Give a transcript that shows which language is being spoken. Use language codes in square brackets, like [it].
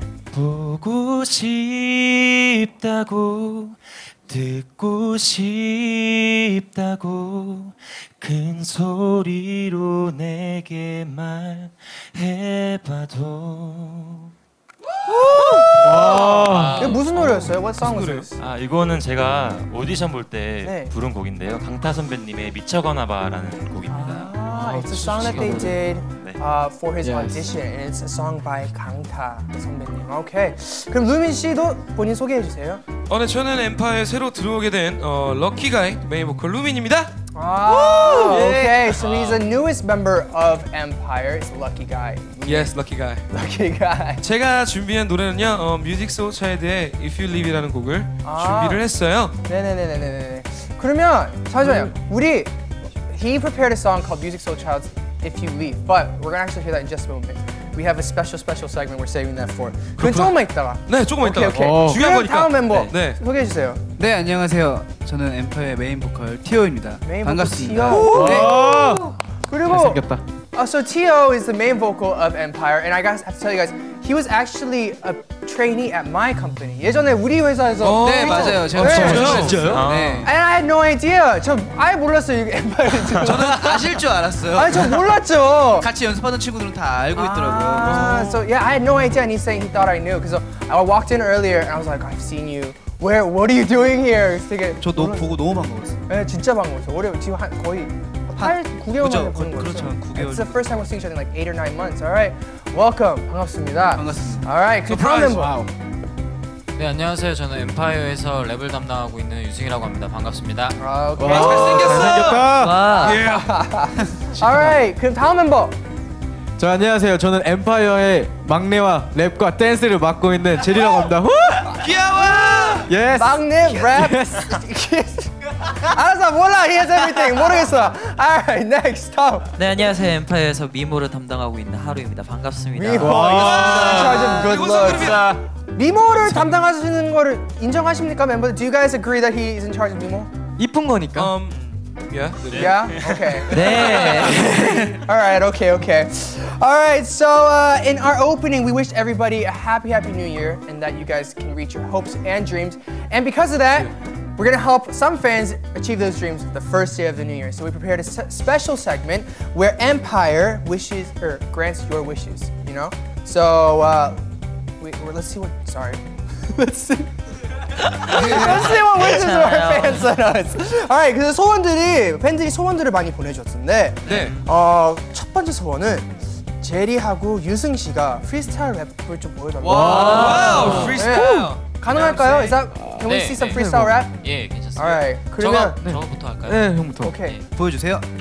[ko] 보고 싶다고 듣고 싶다고 큰 소리로 내게 말해봐도 이게 무슨 노래였어요? [en] What song was this? [ko] 아 이거는 제가 오디션 볼 때 네. 부른 곡인데요. 강타 선배님의 미쳐가나 봐라는 곡입니다. [en] 아, it's a song that they did for his yes. audition, and it's a song by 강타 선배님. Okay. [ko] 그럼 루민 씨도 본인 소개해 주세요. 네, 저는 엠파이어에 새로 들어오게 된 럭키 가이 메인 보컬 루민입니다. [en] 아, okay. So he's the newest member of Empire. It's Lucky Guy. Yes, Lucky Guy. Lucky Guy. [ko] 제가 준비한 노래는요, 뮤직 소 차이드의 If You Leave이라는 곡을 준비를 했어요. 네네네네네네. 그러면 잠시만요. [en] 우리 He prepared a song called Music Soul Child's If You Leave, but we're gonna actually hear that in just a moment. We have a special segment we're saving that for. [ko] 그럼 조금만 있다가. 네, 조금만 있다가. 오케이, 오케이. 중요한 거니까. 다음 멤버 네. 소개해 주세요. 네, 안녕하세요. 저는 엠파이어의 메인 보컬 티오입니다. 반갑습니다. 네. 그리고 잘생겼다. [en] So T.O. is the main vocal of Empire, and I got to tell you guys, he was actually a trainee at my company. [ko] 예전에 우리 회사에서 네 맞아요, 제가 진짜요? [en] 네. And I had no idea. [ko] 저 아예 몰랐어요 [en] Empire. [ko] 저는 아실 줄 알았어요. 아니 저 몰랐죠. 같이 연습하던 친구들은 다 알고 있더라고요. [en] So yeah, I had no idea, and he's saying he thought I knew. So I walked in earlier, and I was like, I've seen you. Where? What are you doing here? [ko] 저 보고 너무 반가웠어요. 네, 진짜 반가웠어요. 지금 거의. 8개월 만에 본 거죠. 그렇죠. 9개월. [en] It's the first time we're seeing each other in like 8 or 9 months. All right. Welcome. [ko] 반갑습니다. 반갑습니다. [en] All right. [ko] 그 다음 멤버. [en] Wow. [ko] 네, 안녕하세요. 저는 엠파이어에서 랩을 담당하고 있는 유승이라고 합니다. 반갑습니다. 아, 오케이. 와, 잘생겼어! 잘생겼다! 와! [en] Alright, [ko] 그럼 다음 멤버! 저 안녕하세요. 저는 엠파이어의 막내와 랩과 댄스를 맡고 있는 제리라고 합니다. 귀여워! [en] Yes! 막내, 랩! Yes! [ko] 알았어, 몰라! [en] He has everything! [ko] 모르겠어! [en] Alright, next! Stop! [ko] 네, 안녕하세요. 엠파이어에서 미모를 담당하고 있는 하루입니다. 반갑습니다. 미모! 미모성그룹이다! 미모를 담당하시는 거를 인정하십니까, 멤버? [en] Do you guys agree that he is in charge of 미모? [ko] 이쁜 거니까. [en] Yeah. Yeah. Yeah. Okay. [ko] 네. [en] All right. Okay. Okay. All right. So in our opening, we wish everybody a happy, happy New Year, and that you guys can reach your hopes and dreams. And because of that, we're gonna help some fans achieve those dreams the first day of the New Year. So we prepared a special segment where Empire wishes or grants your wishes. You know. So. Let's see what wishes our fans sent us. Alright, [ko] 그래서 소원들이 팬들이 소원들을 많이 보내주었는데. 네. 첫 번째 소원은 제리하고 유승 씨가 프리스타일 랩을 좀 보여달라고. 와, 프리스타일. 가능할까요? 이사, [en] can we see some freestyle rap? [ko] 예, 괜찮습니다. Alright, 그러면 저부터 할까요? 네, 형부터. 오케이. 보여주세요.